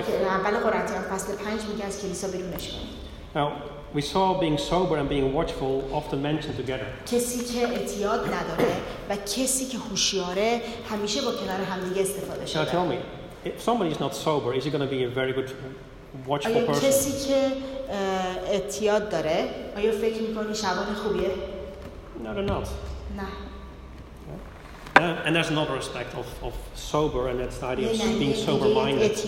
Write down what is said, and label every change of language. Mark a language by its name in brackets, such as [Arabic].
[Persian] اول قرنتیان فصل 5 میگه از کلیسا بیرونش کنید [English] We saw being sober and being watchful often mentioned together. [Persian] کسی که اعتیاد نداره و کسی که هوشیاره همیشه با کنار همدیگه استفاده شده. [English] Tell me, if somebody is not sober, is he going to be a very good watchful person? [Persian] آیا کسی که اعتیاد داره آیا فکر میکنی شبان خوبیه؟ [English] No, they're not. [Persian] نه. [English] And there's another aspect of sober, and that's the idea of being sober-minded.